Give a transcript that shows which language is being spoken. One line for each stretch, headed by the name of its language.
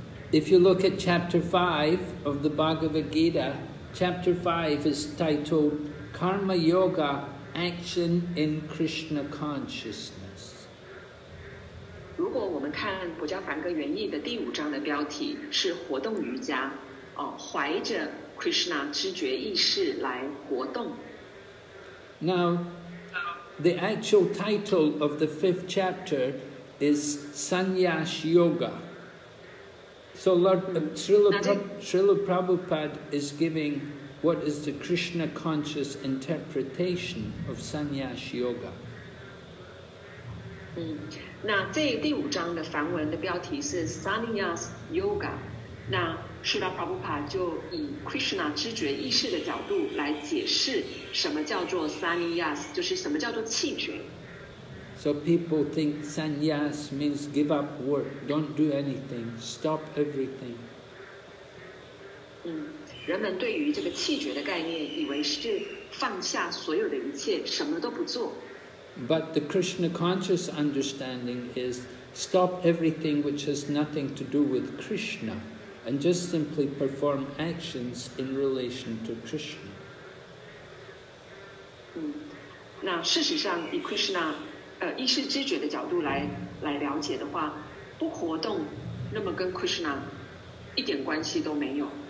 English: If you look at chapter 5 of the Bhagavad Gita, chapter 5 is titled Karma Yoga, Action in Krishna Consciousness.
Chinese: 如果我们看《薄伽梵歌原译》的第五章的标题是“活动瑜伽”，怀着 Krishna 知觉意识来活动。
English: Now, the actual title of the fifth chapter is Sanyas Yoga. So Lord Srila Prabhupada is giving what is the Krishna conscious interpretation of Sanyas Yoga.
Chinese: 那这第五章的梵文的标题是 Sanyas Yoga， 那 Srila Prabhupada 就以 Krishna 知觉意识的角度来解释什么叫做 Sanyas， 就是什么叫做弃绝。
English: So people think Sanyas means give up work, don't do anything, stop everything.
Chinese: 人们对于这个弃绝的概念以为是放下所有的一切，什么都不做。
English: But the Krishna conscious understanding is stop everything which has nothing to do with Krishna, and just simply perform actions in relation to Krishna.
Chinese: 嗯，那事实上，以 Krishna 意识知觉的角度来了解的话，不活动，那么跟 Krishna 一点关系都没有。